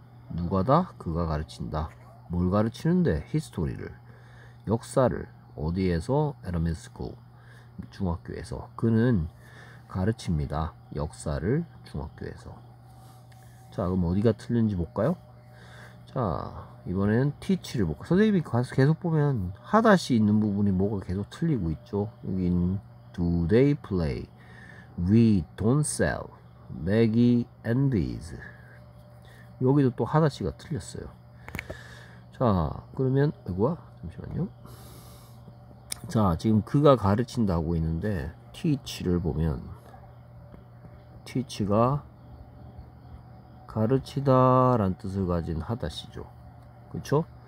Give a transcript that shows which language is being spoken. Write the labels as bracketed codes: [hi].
[ko] 누가다? 그가 가르친다. 뭘 가르치는데? 히스토리를. 역사를. 어디에서? [en] At the middle school. [ko] 중학교에서. 그는 가르칩니다. 역사를 중학교에서. 자, 그럼 어디가 틀린지 볼까요? 자, 이번에는 teach를 볼까요? 선생님이 가서 계속 보면 하다시 있는 부분이 뭐가 계속 틀리고 있죠? 여긴 [en] do they play? We don't sell Maggie and these. [ko] 여기도 또 하다시가 틀렸어요. 자, 그러면 이거야? 잠시만요. 자, 지금 그가 가르친다고 있는데 teach를 보면 teach가 가르치다 라는 뜻을 가진 하다시죠. 그쵸?